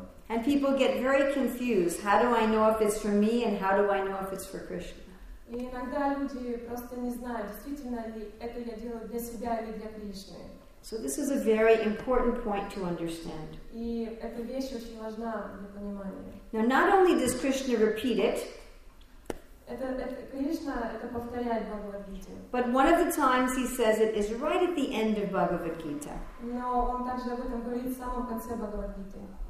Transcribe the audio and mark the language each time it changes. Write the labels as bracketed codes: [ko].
[en] And people get very confused. How do I know if it's for me and how do I know if it's for Krishna? [ru] И иногда люди просто не знают, действительно ли это я делаю для себя или для Кришны. [en] So this is a very important point to understand. [ru] И эта вещь очень важна для понимания. [en] Now not only does Krishna repeat it, [ru] Кришна это повторяет в Бхагавад-гите. [en] But one of the times he says it is right at the end of Бхагавад-гита. [ru] Но он также об этом говорит в самом конце Бхагавад-гиты.